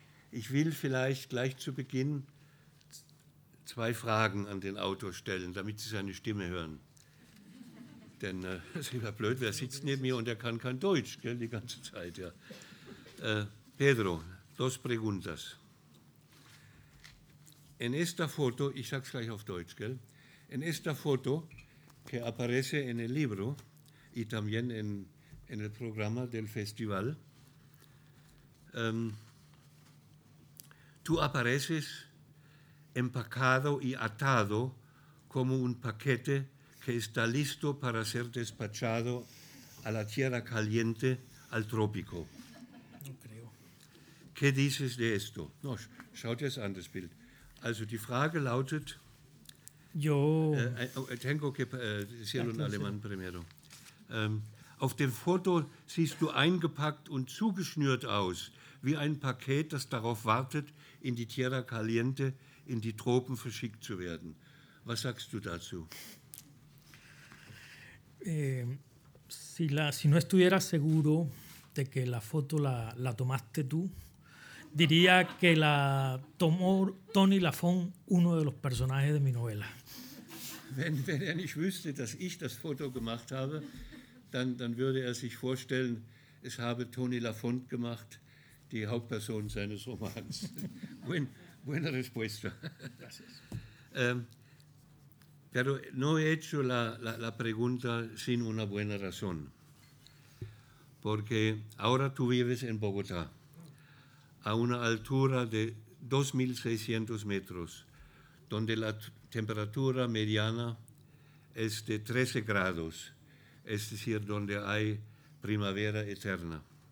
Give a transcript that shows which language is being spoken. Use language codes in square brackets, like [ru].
[de] Ich will vielleicht gleich zu Beginn 2 Fragen an den Autor stellen, damit Sie seine Stimme hören. Denn es ist ja blöd, wer sitzt neben mir und er kann kein Deutsch, gell, die ganze Zeit. [es] Ja. Pedro, 2 preguntas. En esta foto, [de] ich sage es gleich auf Deutsch, gell? [es] En esta foto que aparece en el libro y también en el programa del festival, tú apareces empacado y atado como un paquete que está listo para ser despachado a la tierra caliente, al trópico. No creo. ¿Qué dices de esto? [de] No, schaut es an, das Bild. Also die Frage lautet, Jo. [es] Tengo que decirlo en alemán primero. [de] Auf dem Foto siehst du eingepackt und zugeschnürt aus, wie ein Paket, das darauf wartet, in die Tierra Caliente, in die Tropen verschickt zu werden. Was sagst du dazu? [es] Si no estuviera seguro de que la foto la tomaste tú, diría que la tomó Tony Lafon, uno de los personajes de mi novela. [de] Wenn er nicht wüsste, dass ich das Foto gemacht habe, dann würde er sich vorstellen, es habe Tony Lafont gemacht, die Hauptperson seines Romans. [es] Buena respuesta. Pero no he hecho la pregunta sin una buena razón. Porque ahora tú vives en Bogotá, a una altura de 2.600 metros, donde la temperatura mediana es de 13 grados, es decir, donde hay primavera eterna.